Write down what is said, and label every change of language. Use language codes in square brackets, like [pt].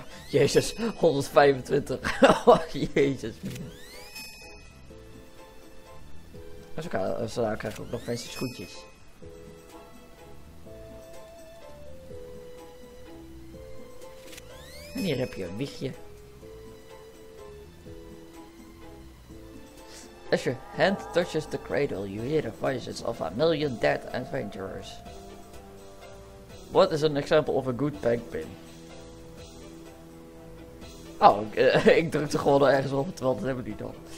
[nl] Jezus, 125. Oh, jezus. Zo krijg ik ook nog fancy schoentjes. En hier heb je een wiegje. [en] As your hand touches the cradle, you hear the voices of a million dead adventurers. What is an example of a good bankpin? [nl] Oh, ik drukte gewoon ergens op, terwijl dat hebben we niet al.